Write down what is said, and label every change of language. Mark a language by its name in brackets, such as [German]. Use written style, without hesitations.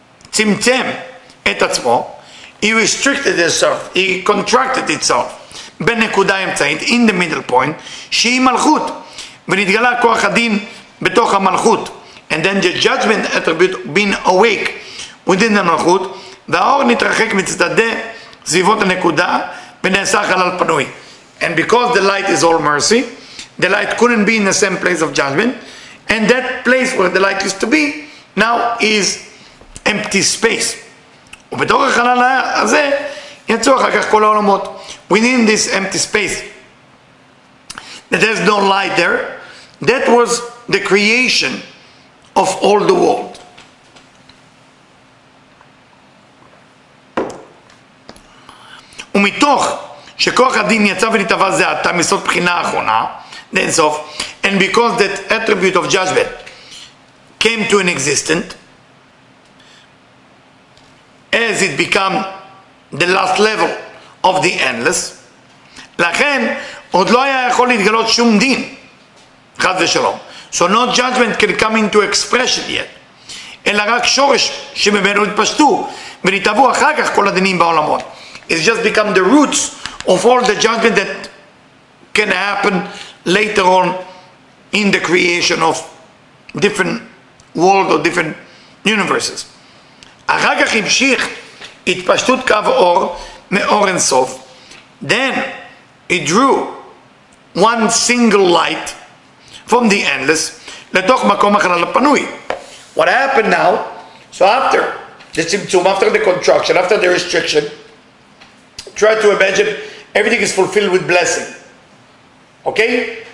[Hebrew] צמצם את עצמו, [English] he restricted itself, he contracted itself, [Hebrew] בנקודה אמצעית, [English] in the middle point, [Hebrew] שהיא מלכות, ונתגלה כוח הדין בתוך המלכות, [English] and then the judgment attribute being awake within the [Hebrew] מלכות, והאור נתרחק מצדדי סביבות הנקודה, ונעשה חלל פנוי. [English] And because the light is all mercy, the light couldn't be in the same place of judgment, and that place where the light used to be now is empty space. [Hebrew] ובתוך החלל הזה יצאו אחר כך כל העולמות. [English] Within this empty space, there's no light there. That was the creation of all the world. [Hebrew] ומתוך שכוח הדין יצא ונתאבה זה עתה מסוף בחינה האחרונה, [English] then so, and because that attribute of judgment came to an existent, as it became the last level of the endless, [Hebrew] לכן עוד לא היה יכול להתגלות שום דין, חד ושלום. [English] So no judgment can come into expression yet, [Hebrew] אלא רק שורש שממנו התפשטו, ונתאבו אחר כך כל הדינים בעולמות. [English] It just become the roots of all the judgment that can happen later on in the creation of different world or different universes. [Hebrew] אחר כך המשיך התפשטות קו אור מאור אינסוף. [English] Then it drew one single light from the endless [Hebrew] לתוך מקום החלל הפנוי. [English] What happened now? So after the צמצום, after the contraction, after the restriction, try to imagine everything is fulfilled with blessing. Okay?